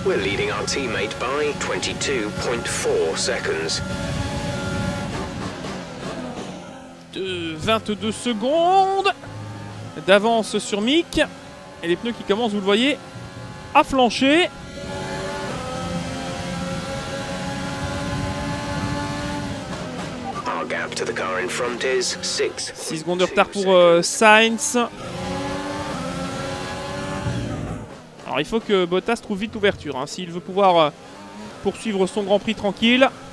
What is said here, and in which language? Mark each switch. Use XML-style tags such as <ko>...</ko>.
<en>We're leading our teammate by 22.4 seconds.</en> <fr>22 secondes d'avance sur Mick. Et les pneus qui commencent, vous le voyez, à flancher.</fr> <en>Our gap to the car in front is</en> <fr>6 secondes de retard pour Sainz. Alors il faut que Bottas trouve vite l'ouverture, hein, s'il veut pouvoir poursuivre son Grand Prix tranquille.</fr>